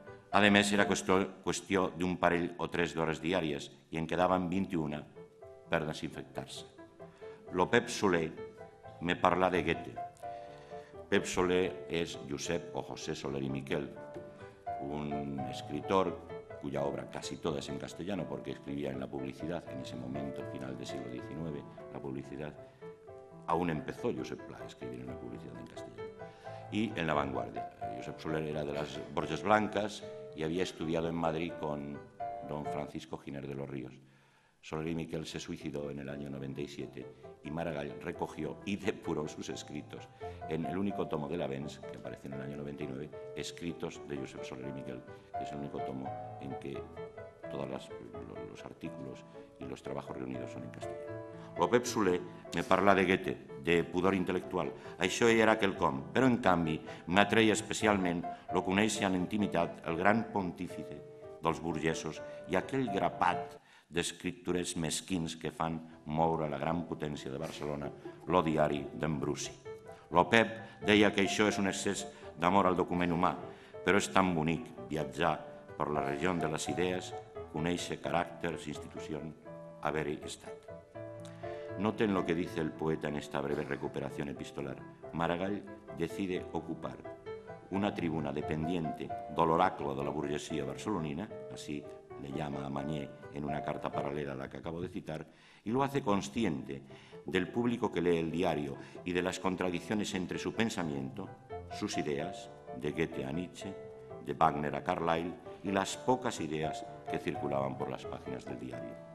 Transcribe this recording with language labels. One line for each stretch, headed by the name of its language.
Catalan: A més, era qüestió d'un parell o tres d'hores diàries i en quedaven 21 per desinfectar-se. Lo Pep Soler me parla de Goethe.
Spanish: Pep Soler és Josep o José Soler i Miquel, un escritor cuya obra casi toda es en castellano porque escribía en la publicidad en ese momento, final del siglo XIX, la publicidad. Aún empezó Josep Pla a escribir en la publicidad en castellano y en La Vanguardia. Josep Soler era de las Borges Blancas y había estudiado en Madrid con don Francisco Giner de los Ríos. Soler y Miquel se suicidó en el año 97 y Maragall recogió y depuró sus escritos en el único tomo de la Vens, que apareció en el año 99, Escritos de Josep Soler y Miquel, que es el único tomo en que todos los artículos y los trabajos reunidos son en castellano.
Catalan: Lo Pep Soler me parla de Goethe, de pudor intel·lectual. Això era quelcom, però en canvi m'atreia especialment lo coneix en intimitat el gran pontífice dels burgesos i aquell grapat d'escriptures mesquins que fan moure la gran potència de Barcelona, lo diari d'en Brusi. Lo Pep deia que això és un excés d'amor al document humà, però és tan bonic viatjar per la regió de les idees, conèixer caràcters, institucions, haver-hi estat.
Spanish: Noten lo que dice el poeta en esta breve recuperación epistolar. Maragall decide ocupar una tribuna dependiente del oráculo de la burguesía barcelonina, así le llama a Mañé en una carta paralela a la que acabo de citar, y lo hace consciente del público que lee el diario y de las contradicciones entre su pensamiento, sus ideas, de Goethe a Nietzsche, de Wagner a Carlyle, y las pocas ideas que circulaban por las páginas del diario.